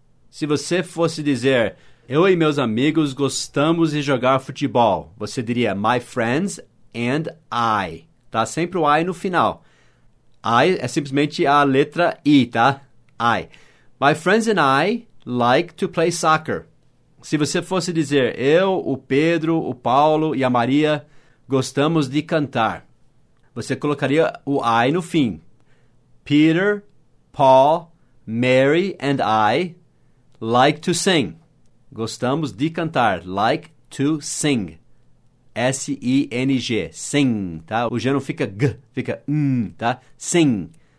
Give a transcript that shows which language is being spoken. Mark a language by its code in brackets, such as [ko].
[pt] Se você fosse dizer, eu e meus amigos gostamos de jogar futebol, você diria [en] my friends and I. [pt] Tá sempre o I no final. I é simplesmente a letra I, tá? I. [en] My friends and I like to play soccer. [pt] Se você fosse dizer, eu, o Pedro, o Paulo e a Maria gostamos de cantar, você colocaria o I no fim. [en] Peter, Paul, Mary and I like to sing. [pt] Gostamos de cantar. [en] Like to sing. S-I-N-G, sing, [pt] tá? O G não fica G, fica N, tá? Sing.